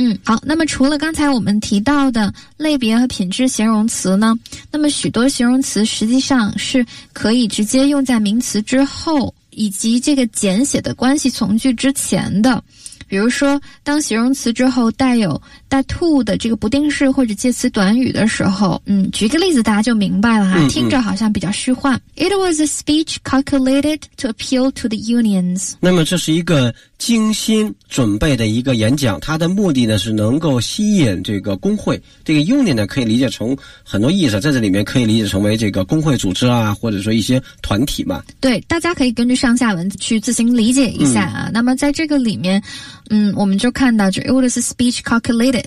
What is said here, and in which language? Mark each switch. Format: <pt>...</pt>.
<zh>好，那么除了刚才我们提到的类别和品质形容词呢，那么许多形容词实际上是可以直接用在名词之后以及这个简写的关系从句之前的，比如说当形容词之后带有带 to 的这个不定式或者介词短语的时候，举个例子大家就明白了哈，听着好像比较虚幻。</zh> <en>It was a speech calculated to appeal to the unions.</en> <zh>那么这是一个精心准备的一个演讲，它的目的呢是能够吸引这个工会。这个 union 呢可以理解成很多意思，在这里面可以理解成为这个工会组织啊，或者说一些团体嘛。对，大家可以根据上下文去自行理解一下啊。那么在这个里面，我们就看到就</zh> <en>it was a speech calculated，</en>